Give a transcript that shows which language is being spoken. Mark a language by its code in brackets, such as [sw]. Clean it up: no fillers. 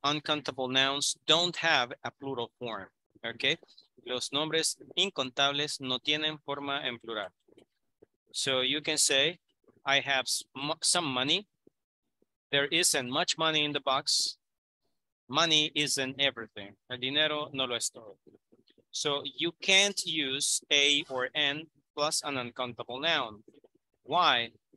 [en] Uncountable nouns don't have a plural form, ok? [es] Los nombres incontables no tienen forma en plural. [en] So you can say, I have some money. There isn't much money in the box. Money isn't everything. [es] El dinero no lo es todo. [en] So you can't use A or N plus an uncountable noun. Why?